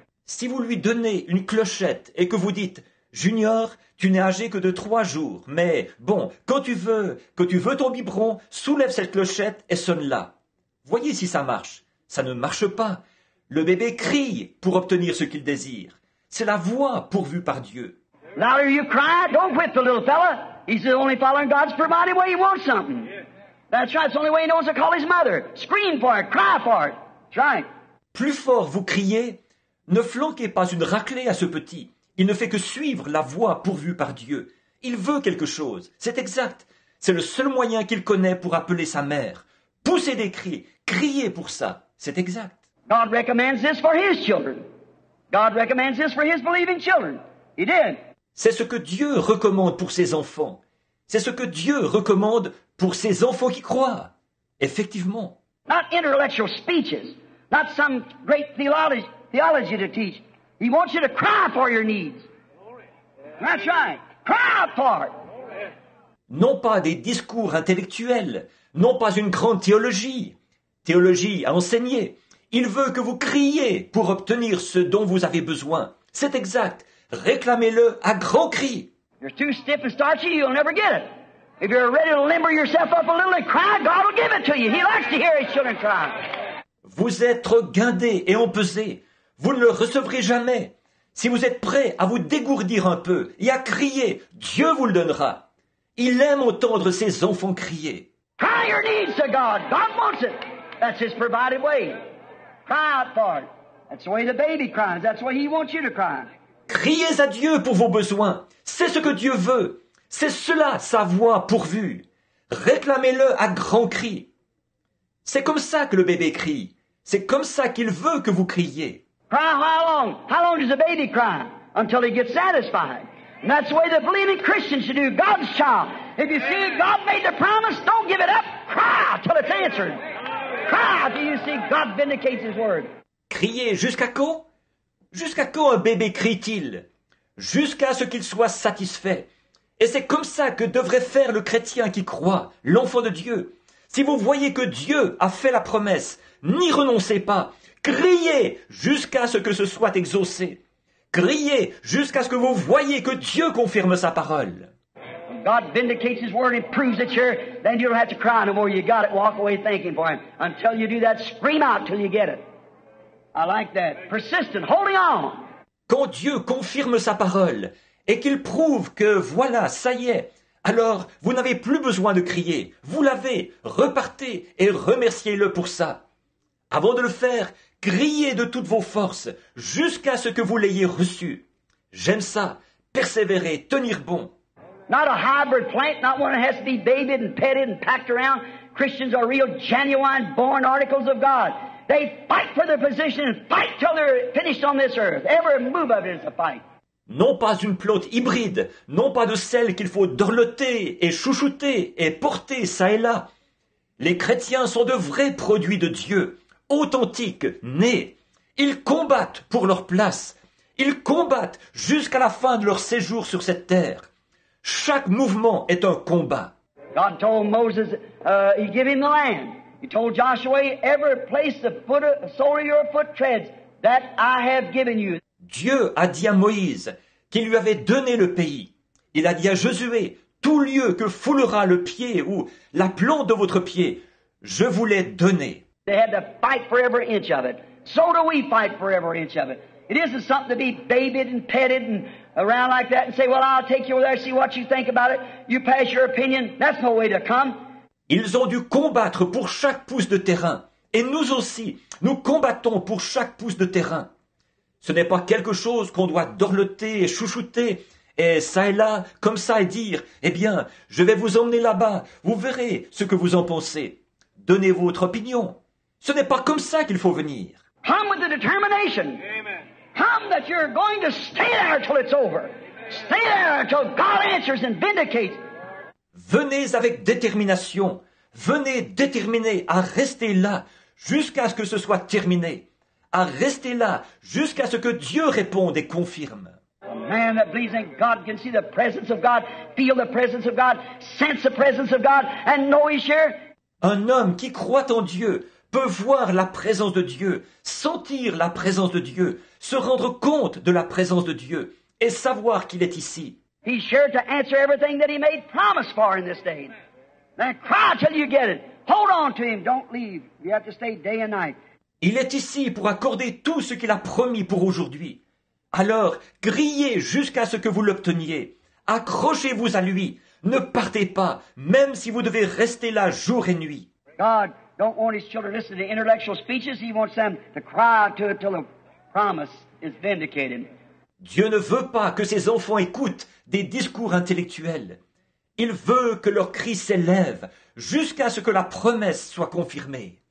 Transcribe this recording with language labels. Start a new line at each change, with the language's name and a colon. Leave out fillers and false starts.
French: Si vous lui donnez une clochette et que vous dites, Junior, tu n'es âgé que de 3 jours, mais bon, quand tu veux ton biberon, soulève cette clochette et sonne-la. Voyez si ça marche. Ça ne marche pas. Le bébé crie pour obtenir ce qu'il désire. C'est la voix pourvue par Dieu.
English: Now you cry, don't whip the little fella. He's the only following God's provided way he wants something. That's right, it's the only way he knows to call his mother. Scream for it, cry for it. That's right.
French: Plus fort vous criez, ne flanquez pas une raclée à ce petit. Il ne fait que suivre la voie pourvue par Dieu. Il veut quelque chose. C'est exact. C'est le seul moyen qu'il connaît pour appeler sa mère. Poussez des cris. Criez pour ça. C'est exact.
English: God recommends this for his children. God recommends this for his believing children. He did.
French: C'est ce que Dieu recommande pour ses enfants. C'est ce que Dieu recommande pour ses enfants qui croient. Effectivement.
English: Not intellectual speeches. Not some great theology to teach. He wants you to cry for your needs. That's right. Cry for it.
French: Non pas des discours intellectuels, non pas une grande théologie à enseigner. Il veut que vous criez pour obtenir ce dont vous avez besoin. C'est exact. Réclamez-le à grands cris.
English: You're too stiff and starchy, you'll never get it. If you're ready to limber yourself up a little and cry, God will give it to you. He likes to hear his children cry.
French: Vous êtes guindé et empesé. Vous ne le recevrez jamais. Si vous êtes prêt à vous dégourdir un peu et à crier, Dieu vous le donnera. Il aime entendre ses enfants crier.
English: Cry your needs to God. God wants it. That's his provided way. Cry out for it. That's the way the baby cries. That's the way he wants you to cry.
French: Criez à Dieu pour vos besoins. C'est ce que Dieu veut. C'est cela sa voix pourvue. Réclamez-le à grands cris. C'est comme ça que le bébé crie. C'est comme ça qu'il veut que vous criez.
English: Cry how long? How long does a baby cry? Until he gets satisfied. And that's the way the believing Christian should do. God's child. If you see God made the promise, don't give it up. Cry till it's answered. Cry till you see God vindicates his word.
French: Crier jusqu'à quand? Jusqu'à quand un bébé crie-t-il? Jusqu'à ce qu'il soit satisfait. Et c'est comme ça que devrait faire le chrétien qui croit, l'enfant de Dieu. Si vous voyez que Dieu a fait la promesse, n'y renoncez pas. Criez jusqu'à ce que ce soit exaucé. Criez jusqu'à ce que vous voyez que Dieu confirme sa parole.
English: God vindicates his word and proves that you're, then you don't have to cry no more. You got it. Walk away thanking for him. Until you do that, scream out till you get it. I like that. Persistent. Holding on.
French: Quand Dieu confirme sa parole et qu'il prouve que voilà, ça y est, alors vous n'avez plus besoin de crier. Vous l'avez. Repartez et remerciez-le pour ça. Avant de le faire, criez de toutes vos forces jusqu'à ce que vous l'ayez reçu. J'aime ça. Persévérer, tenir bon.
English: Not a hybrid plant, not one that has to be babied and petted and packed around. Christians are real, genuine, born articles of God. They fight for their position and fight till they're finished on this earth. Every move of it is a fight.
French: Non pas une plante hybride, non pas de celle qu'il faut dorloter et chouchouter et porter ça et là. Les chrétiens sont de vrais produits de Dieu. Authentiques, nés. Ils combattent pour leur place. Ils combattent jusqu'à la fin de leur séjour sur cette terre. Chaque mouvement est un combat.
English: God told Moses, he gave him the land. He told Joshua, every place the sole of your foot treads, that I have given you.
French: Dieu a dit à Moïse qu'il lui avait donné le pays. Il a dit à Josué, tout lieu que foulera le pied ou la plante de votre pied, je vous l'ai donné.
English: They had to fight for every inch of it. So do we fight for every inch of it. It isn't something to be babied and petted and around like that and say, well, I'll take you over there, see what you think about it. You pass your opinion. That's no way to come.
French: Ils ont dû combattre pour chaque pouce de terrain. Et nous aussi, nous combattons pour chaque pouce de terrain. Ce n'est pas quelque chose qu'on doit dorloter et chouchouter et ça et là, comme ça, et dire, eh bien, je vais vous emmener là-bas, vous verrez ce que vous en pensez. Donnez votre opinion. Ce n'est pas comme ça qu'il faut venir.
English: Come with the determination. Amen. Come that you're going to stay there till it's over. Amen. Stay there till God answers and vindicates.
French: Venez avec détermination. Venez déterminés à rester là jusqu'à ce que ce soit terminé. À rester là jusqu'à ce que Dieu réponde et confirme.
English: Man that believes in God can see the presence of God, feel the presence of God, sense the presence of God, and know He's here.
French: Un homme qui croit en Dieu peut voir la présence de Dieu, sentir la présence de Dieu, se rendre compte de la présence de Dieu et savoir qu'il est ici.
English: He's here to answer everything that He made promise for in this day. Then cry till you get it. Hold on to Him. Don't leave. You have to stay day and night.
French: Il est ici pour accorder tout ce qu'il a promis pour aujourd'hui. Alors, criez jusqu'à ce que vous l'obteniez. Accrochez-vous à lui. Ne partez pas, même si vous devez rester là jour et nuit.
English: God don't want His children to listen to intellectual speeches. He wants them to cry to it till the promise is vindicated.
French: Dieu ne veut pas que ses enfants écoutent des discours intellectuels. Il veut que leur cri s'élève jusqu'à ce que la promesse soit confirmée.